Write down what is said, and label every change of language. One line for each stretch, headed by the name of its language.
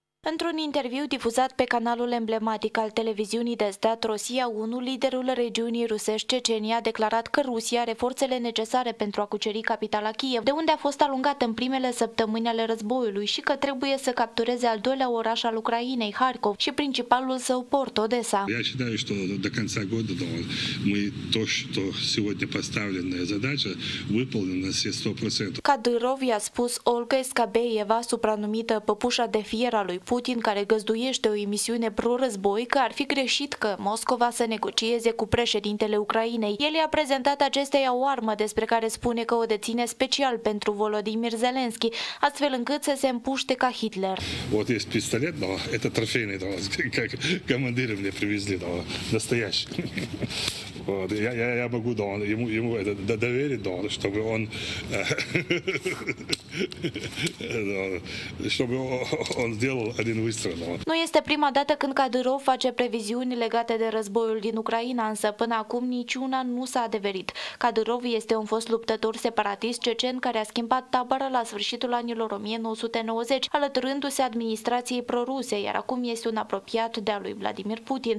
Romanian: Într-un interviu difuzat pe canalul emblematic al televiziunii de stat Rusia 1, liderul regiunii rusești Cecenia a declarat că Rusia are forțele necesare pentru a cuceri capitala Kiev, de unde a fost alungat în primele săptămâni ale războiului și că trebuie să captureze al doilea oraș al Ucrainei, Harkov, și principalul său port, Odessa.
Russian: Я считаю, что до конца года мы то, что сегодня поставленная задача выполнена на все 100%.
Romanian: Kadyrov i-a spus Olga Skabeyeva, supranumită păpușa de fier a lui Putin, care găzduiește o emisiune pro-război, că ar fi greșit că Moscova să negocieze cu președintele Ucrainei. El i-a prezentat acesteia o armă despre care spune că o deține special pentru Volodymyr Zelensky, astfel încât să se împuște ca Hitler.
Russian: Вот есть пистолет, да, это трофейный, да, как командиры мне привезли, да, настоящий. Вот, я могу, да, ему это доверить, да, чтобы он сделал.
Romanian: Nu este prima dată când Kadyrov face previziuni legate de războiul din Ucraina, însă până acum niciuna nu s-a adeverit. Kadyrov este un fost luptător separatist cecen care a schimbat tabără la sfârșitul anilor 1990, alăturându-se administrației proruse, iar acum este un apropiat de al lui Vladimir Putin.